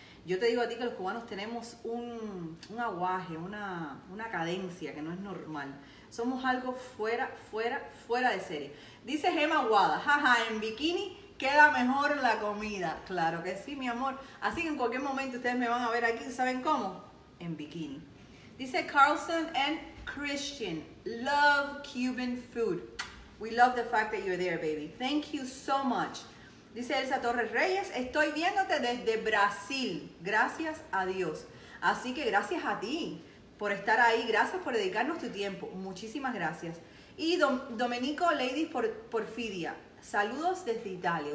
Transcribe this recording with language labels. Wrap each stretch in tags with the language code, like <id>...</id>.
<es>Yo te digo a ti que los cubanos tenemos un aguaje, una cadencia que no es normal. Somos algo fuera de serie. Dice Gemma Aguada, jaja, en bikini queda mejor la comida. Claro que sí, mi amor. Así que en cualquier momento ustedes me van a ver aquí, ¿saben cómo? En bikini. Dice</es> <en>Carlson and Christian, love Cuban food. We love the fact that you're there, baby. Thank you so much.</en> <es>Dice Elsa Torres Reyes, estoy viéndote desde Brasil. Gracias a Dios. Así que gracias a ti por estar ahí. Gracias por dedicarnos tu tiempo. Muchísimas gracias. Y Domenico Ladies Porfidia, saludos desde Italia.</es>